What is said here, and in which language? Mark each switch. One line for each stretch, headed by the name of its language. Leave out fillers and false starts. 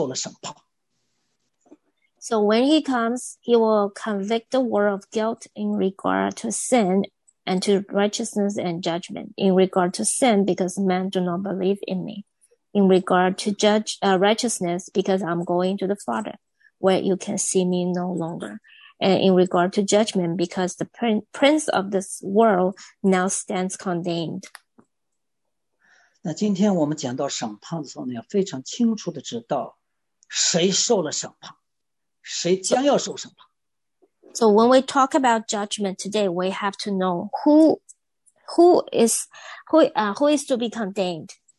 Chinese: 为义是因我往父那里去，你们就不再见我。为审判，是因这世界的王受了审判。So
English: when he comes, he will convict the world of guilt in regard to sin and to righteousness and judgment. In regard to sin, because men do not believe in me. In regard to righteousness, because I'm going to the Father, where you can see me no longer. And in regard to judgment, because the prince of this world now stands condemned.
Chinese: 那今天我们讲到审判的时候呢，要非常清楚地知道谁受了审判，谁将要受审判。So
English: when we talk about judgment today, we have to know who is to be condemned.